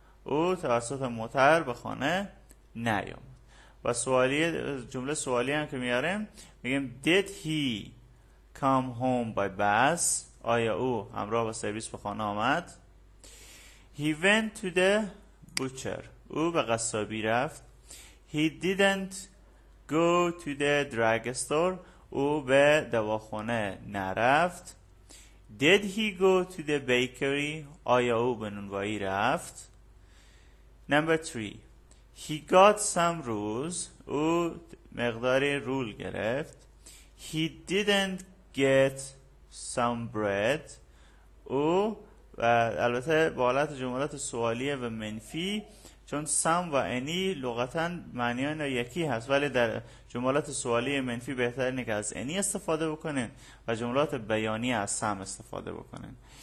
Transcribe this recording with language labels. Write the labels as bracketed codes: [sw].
[fa] او توسط موتر به خانه نیام. و سوالی جمله سوالی هم که میاریم میگیم [en] Did he come home by bus؟ [fa] آیا او همراه با سرویس به خانه آمد؟ [en] He went to the butcher. [fa] او به قصابی رفت. [en] He didn't go to the drugstore. [fa] او به دواخانه نرفت. [en] Did he go to the bakery? [fa] آیا او به نونوایی رفت؟ [en] Number 3. He got some rules. [fa] او مقدار رول گرفت. [en] He didn't get some bread. [fa] او و البته با حالت جملات سوالیه و منفی، چون سم و انی لغتاً معنی اینا یکی هست، ولی در جملات سوالی منفی بهتر اینه که از انی استفاده بکنین و جملات بیانی از سم استفاده بکنین.